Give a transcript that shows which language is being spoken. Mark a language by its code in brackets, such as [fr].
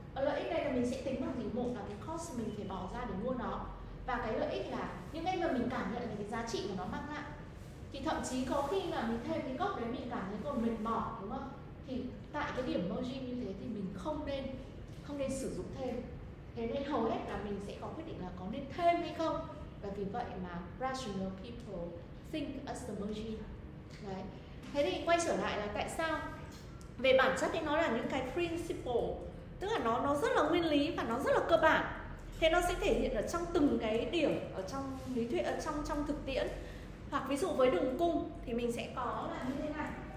[vi] Lợi ích đây là mình sẽ tính bằng gì? Một là cái cost mình phải bỏ ra để mua nó, và cái lợi ích là những cái mà mình cảm nhận là cái giá trị của nó mang lại. Thì thậm chí có khi là mình thêm cái cốc đấy mình cảm thấy còn mệt mỏi, đúng không? Thì tại cái điểm margin như thế thì mình không nên sử dụng thêm. Thế nên hầu hết là mình sẽ có quyết định là có nên thêm hay không. Và vì vậy mà [en] rational people think as the margin. [vi] Đấy. Thế thì quay trở lại là tại sao? Về bản chất thì nó là những cái principle, tức là nó rất là nguyên lý và nó rất là cơ bản. Thế nó sẽ thể hiện ở trong từng cái điểm ở trong lý thuyết, ở trong thực tiễn. Hoặc ví dụ với đường cung thì mình sẽ có là như thế này.